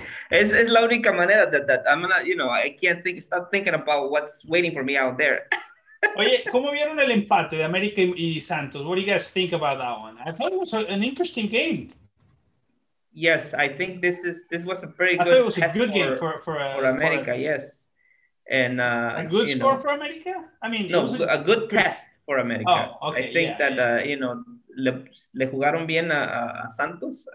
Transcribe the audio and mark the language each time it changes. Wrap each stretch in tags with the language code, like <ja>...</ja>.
<es>Es la única manera</es> <en>that I'm gonna, you know, I can't think, stop thinking about what's waiting for me out there.</en> <es>Oye, ¿cómo vieron el empate de América y Santos?</es> <en>What do you guys think about that one? I thought it was an interesting game. Yes, I think this was a pretty good test. I thought it was a good game for America, yes. And a good score for America? I mean, no, a good test for America. Oh, okay. I think</en> <es>le jugaron bien a Santos.</es>